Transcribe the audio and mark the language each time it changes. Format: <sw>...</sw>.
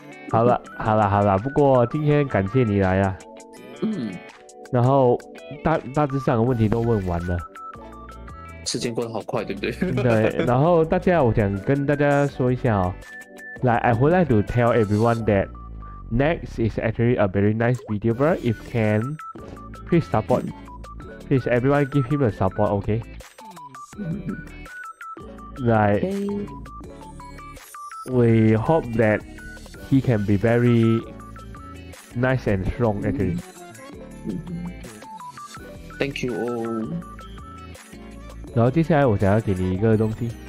<zh>好了，不过今天感谢你来啊。嗯。然后大致上的问题都问完了。时间过得好快，对不对？对。然后大家，我想跟大家说一下哦。</zh> <en>来 ，I would like to tell everyone that next is actually a very nice YouTuber. If can, please support. Please everyone give him a support, okay? Like, okay. We hope that he can be very nice and strong actually. Thank you all.</en> <zh>然后接下来我想要给你一个东西。</zh>